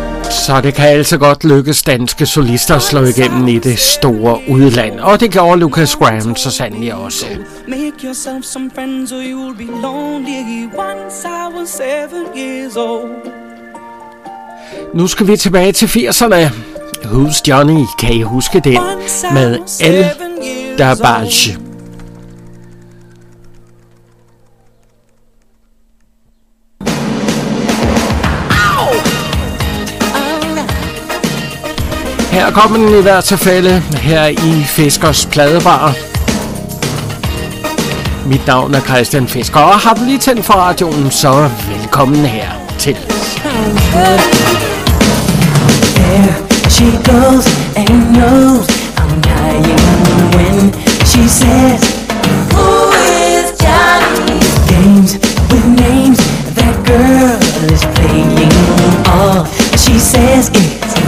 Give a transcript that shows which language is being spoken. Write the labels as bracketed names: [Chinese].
[Danish] Så det kan altså godt lykkes danske solister at slå igennem i det store udland. Og det gjorde Lucas Graham så sandelig også. [English] Make yourself some friends or you'll be lonely once I was 7 years old. [Danish] Nu skal vi tilbage til 80'erne. [English] Who's Johnny? [Danish] Kan I huske den? Med El Dabage. Her kommer den i hvert tilfælde her i Fiskers Pladebar. Mit navn er Christian Fisker, og har du lige tændt for radioen, så velkommen her til. [English] She goes and knows I'm dying when she says, who is Johnny? Games with names that girl is playing. All she says is,